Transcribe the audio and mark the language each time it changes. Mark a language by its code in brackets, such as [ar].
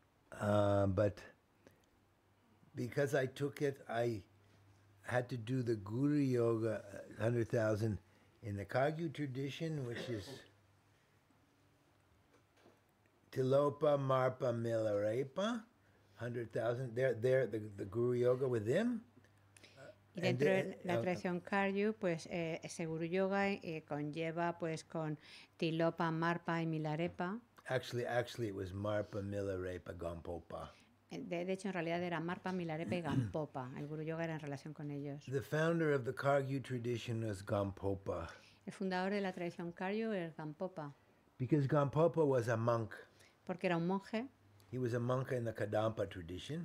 [en] But because I took it, I had to do the Guru Yoga 100,000 in the Kagyu tradition, which is Tilopa Marpa Milarepa, 100,000. There, the Guru Yoga with them. [es] Y dentro de la tradición Karyu, pues ese Guru Yoga conlleva pues con Tilopa Marpa y Milarepa. [en] Actually, it was Marpa Milarepa Gampopa. [es] De hecho, en realidad era Marpa Milarepa y Gampopa. El Guru Yoga era en relación con ellos. [en] The founder of the Kagyu tradition was Gampopa. [es] El fundador de la tradición Karyu era Gampopa. [en] Because Gampopa was a monk. [es] Porque era un monje. [en] He was a monk in the Kadampa tradition.